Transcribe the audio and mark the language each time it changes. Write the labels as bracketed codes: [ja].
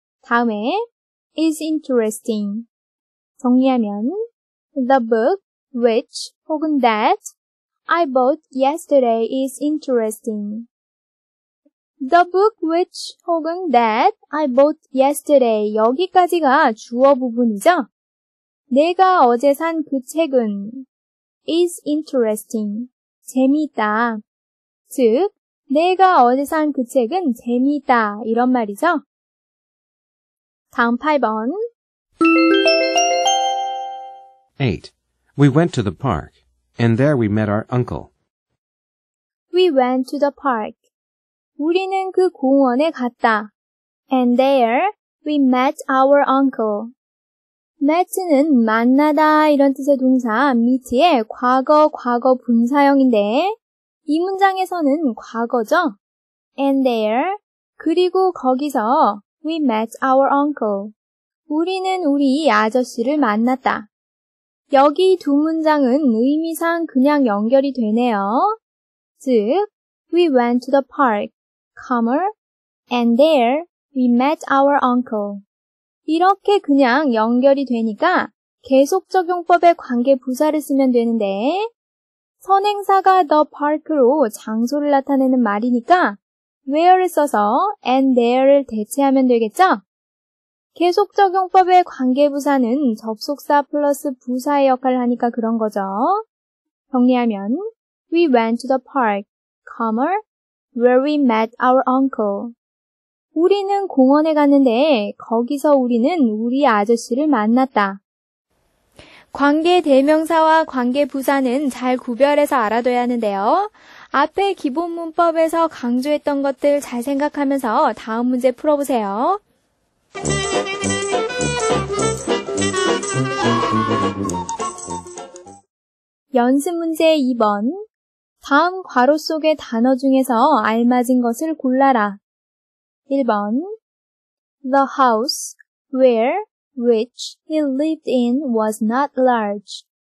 [ko] 다음에 [en] is interesting. [ko] 정리하면 [en] The book which [ko] 혹은 [en] that I bought yesterday is interesting. The book which [ko] 혹은 [en] that I bought yesterday. [ko] 여기까지가 주어 부분이죠? 내가 어제 산 그 책은 [en] is interesting. [ko] 재미있다. 즉, 내가 어제 산 그 책은 재미있다. 이런 말이죠? 다음 8번. 8. [en] We went to the park, and there we met our uncle. We went to the park. [ko] 우리는 그 공원에 갔다. [en] And there we met our uncle. [ko] Met는 만나다 이런 뜻의 동사 meet의 과거 과거 분사형인데 이 문장에서는 과거죠. [en] And there [ko] 그리고 거기서 [en] we met our uncle. [ko] 우리는 우리 아저씨를 만났다. 여기 두 문장은 의미상 그냥 연결이 되네요. [en] 즉, we went to the park, and there we met our uncle. [ko] 이렇게 그냥 연결이 되니까 계속 적용법의 관계 부사를 쓰면 되는데 선행사가 the park로 장소를 나타내는 말이니까 where를 써서 [en] and there [ko] 를 대체하면 되겠죠? 계속 적용법의 관계부사는 접속사 플러스 부사의 역할을 하니까 그런 거죠. 정리하면 [en] We went to the park, where we met our uncle. [ko] 우리는 공원에 갔는데 거기서 우리는 우리 아저씨를 만났다. 관계대명사와 관계부사는 잘 구별해서 알아둬야 하는데요. 앞에 기본 문법에서 강조했던 것들 잘 생각하면서 다음 문제 풀어보세요. 연습 문제 2번. 다음 괄호 속의 단어 중에서 알맞은 것을 골라라. 1번. [en] The house where which he lived in was not large.